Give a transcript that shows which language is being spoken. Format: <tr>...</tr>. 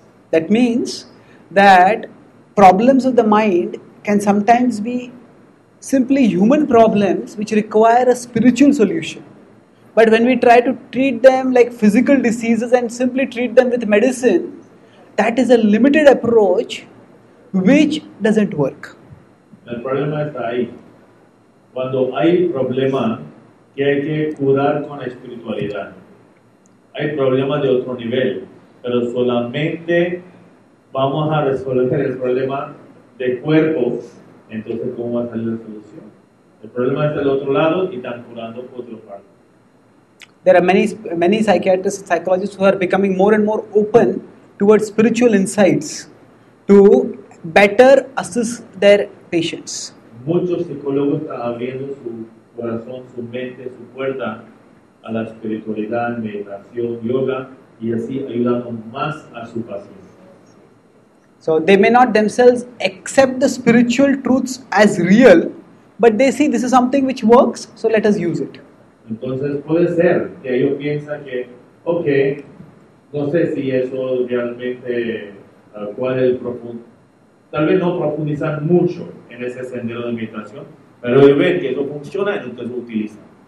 <en>That means that problems of the mind can sometimes be simply human problems which require a spiritual solution. But when we try to treat them like physical diseases and simply treat them with medicine, that is a limited approach which doesn't work.</en> <es>El problema está ahí. Cuando hay problema que hay que curar con la espiritualidad, hay problema de otro nivel, pero solamente vamos a resolver el problema de cuerpo, entonces ¿cómo va a salir la solución? El problema está del otro lado y están curando por otro lado.</es> <en>There are many psychiatrists and psychologists who are becoming more and more open towards spiritual insights to better assist their patients.</en> <es>Muchos psicólogos están abriendo su corazón, su mente, su puerta a la espiritualidad, meditación, yoga, y así ayudando más a su paciente.</es> <en>So they may not themselves accept the spiritual truths as real, but they see this is something which works, so let us use it.</en> <es>Entonces puede ser que ellos piensan que, okay, no sé si eso realmente, cuál es el profundo, tal vez no profundizar mucho en ese sendero de meditación, pero ver que eso funciona, entonces lo utilizan.</es>